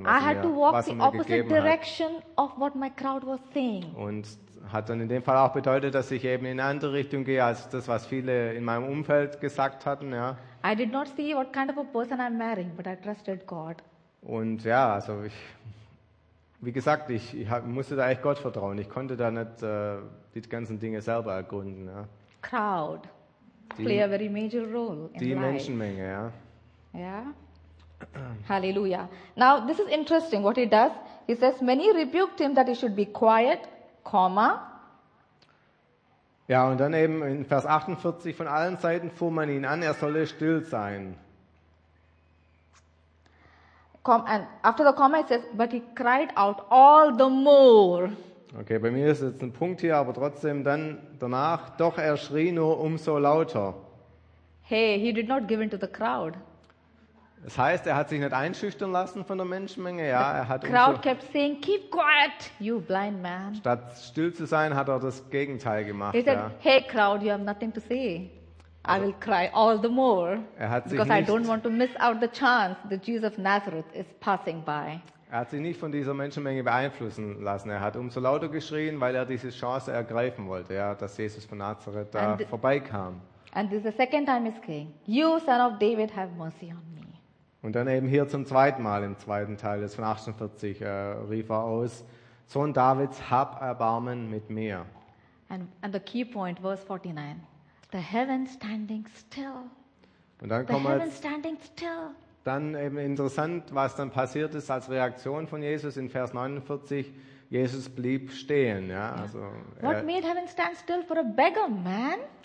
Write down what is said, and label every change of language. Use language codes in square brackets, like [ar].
[en] I had to walk the opposite direction of what my crowd was saying. [de] Und hat dann in dem Fall auch bedeutet, dass ich eben in eine andere Richtung gehe als das, was viele in meinem Umfeld gesagt hatten, ja. [en] I did not see what kind of a person I'm marrying, but I trusted God. [de] Und ja, also ich, wie gesagt, ich musste da echt Gott vertrauen. Ich konnte da nicht die ganzen Dinge selber ergründen. Ja. [en] Crowd play a very major role in [de] die [en] life. [de] Menschenmenge, ja. [en] Yeah. Hallelujah. Now this is interesting. What he does, he says, many rebuked him that he should be quiet. [de] Komma. Ja, und dann eben in Vers 48, von allen Seiten fuhr man ihn an, er solle still sein. [en] And after the comma it says, but he cried out all the more. [de] Okay, bei mir ist jetzt ein Punkt hier, aber trotzdem dann danach, doch er schrie nur umso lauter. [en] Hey, he did not give in to the crowd. [de] Das heißt, er hat sich nicht einschüchtern lassen von der Menschenmenge, ja, er hat [en] crowd kept saying, keep quiet, you blind man. [de] Statt still zu sein, hat er das Gegenteil gemacht, ja. [en] He said, hey crowd, you have nothing to say. I will cry all the more, [de] er hat sich [en] because [de] nicht, [en] I don't want to miss out the chance that Jesus of Nazareth is passing by. [de] Er hat sich nicht von dieser Menschenmenge beeinflussen lassen. Er hat umso lauter geschrien, weil er diese Chance ergreifen wollte, ja, dass Jesus von Nazareth da vorbeikam. [en] And this is the second time he's crying. You, son of David, have mercy on me. [de] Und dann eben hier zum zweiten Mal im zweiten Teil des 48 rief er aus, Sohn Davids, hab Erbarmen mit mir. [en] And the key point, verse 49. The heavens standing still. [de] Und dann kommen wir [en] standing still. [de] Dann eben interessant, was dann passiert ist als Reaktion von Jesus in Vers 49. Jesus blieb stehen. Ja, also [en] what made heaven stand still for a beggar man?